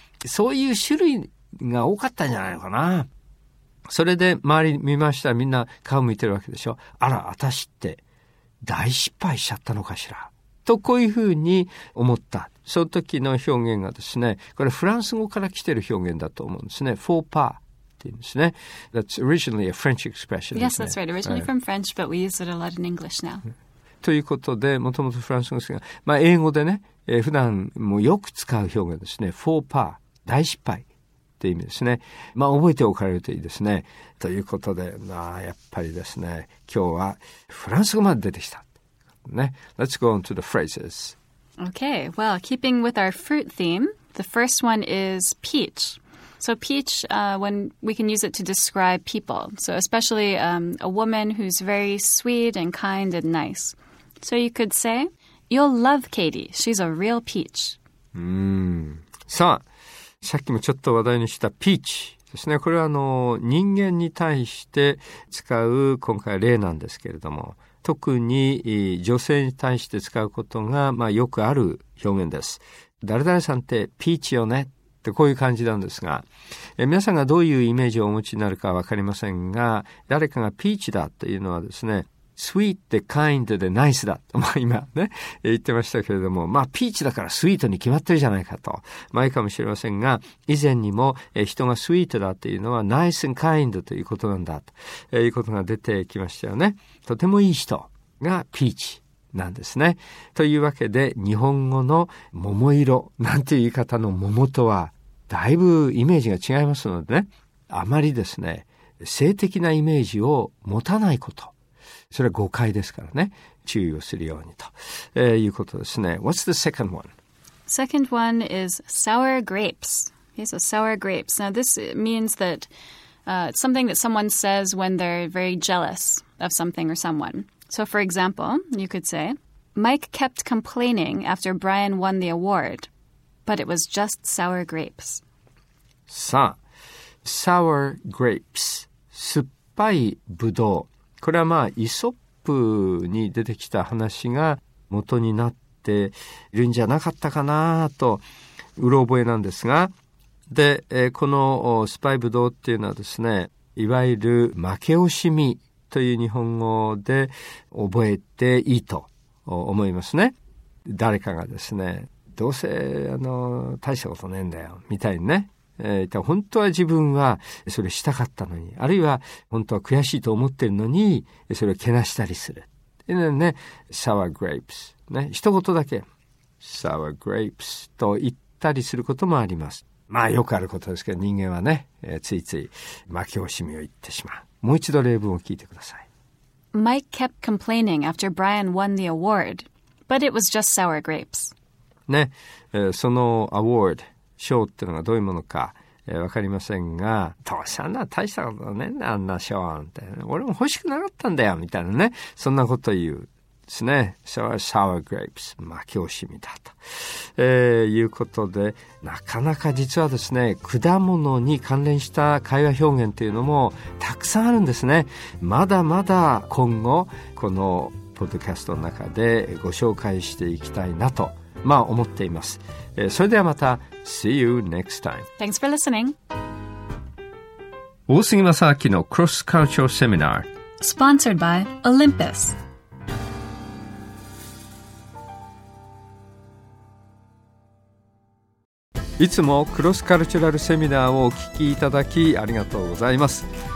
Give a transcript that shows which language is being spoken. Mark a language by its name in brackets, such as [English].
[Japanese] そういう種類が多かったんじゃないのかな。それで周り見ましたらみんな顔向いてるわけでしょ。あら、私って大失敗しちゃったのかしら。と、こういうふうに思った。その時の表現がですね、これフランス語から来てる表現だと思うんですね。 faux pas って言うんですね。 [English] That's originally a French expression. Yes, that's right. Originally from French, but we use it a lot in English now. [Japanese] ということで、もともとフランス語ですが、まあ英語でね、普段もよく使う表現ですね。 faux pas、大失敗。意味ですね。まあ覚えておかれるといいですね。ということで、まあやっぱりですね、今日はフランス語まで出てきたね。 [English] Let's go on to the phrases. Okay, well, keeping with our fruit theme, the first one is peach. So peach, when we can use it to describe people, so especially a woman who's very sweet and kind and nice. So you could say, "You'll love Katie. She's a real peach." [Japanese] さあ。さっきもちょっと話題にしたピーチですね。これはあの人間に対して使う今回例なんですけれども、特に女性に対して使うことがまあよくある表現です。誰々さんってピーチよねってこういう感じなんですが、皆さんがどういうイメージをお持ちになるかわかりませんが、誰かがピーチだというのはですね、スイートでカインドでナイスだと、まあ今ね、言ってましたけれども、まあピーチだからスイートに決まってるじゃないかと、まあいいかもしれませんが、以前にも人がスイートだっていうのはナイスカインドということなんだということが出てきましたよね。とてもいい人がピーチなんですね。というわけで、日本語の桃色なんていう言い方の桃とはだいぶイメージが違いますのでね、あまりですね、性的なイメージを持たないこと。それは誤解ですからね、注意をするようにと、いうことですね。 [English] What's the second one? Second one is sour grapes. Okay, so sour grapes. Now this means that it's something that someone says when they're very jealous of something or someone. So for example, you could say, Mike kept complaining after Brian won the award, but it was just sour grapes. [Japanese] さあ、sour grapes、酸っぱいぶどう。これはまあイソップに出てきた話が元になっているんじゃなかったかなとうろ覚えなんですが、で、このスパイブドウっていうのはですね、いわゆる負け惜しみという日本語で覚えていいと思いますね。誰かがですね、どうせ大したことねえんだよみたいにね、本当は自分はそれしたかったのに、あるいは本当は悔しいと思ってるのにそれをけなしたりするっていうのね、sour grapes ね、一言だけ sour grapes と言ったりすることもあります。まあよくあることですけど、人間はね、ついつい負け惜しみを言ってしまう。もう一度例文を聞いてください。 [English] Mike kept complaining after Brian won the award, but it was just sour grapes [Japanese] ね、そのアワード、賞ってのがどういうものか、わかりませんが、どうせあんな大したことねえんだ、あんな賞みたいな、俺も欲しくなかったんだよみたいなね、そんなこと言うですね。それはサワーグレープス、負け惜しみだと、いうことで、なかなか実はですね、果物に関連した会話表現というのもたくさんあるんですね。まだまだ今後このポッドキャストの中でご紹介していきたいなとまあ思っています。それではまた [English] See you next time. Thanks for listening. [Japanese] 大杉正明のクロスカルチャーセミナー [English] Sponsored by Olympus. [Japanese] いつもクロスカルチュラルセミナーをお聞きいただきありがとうございます。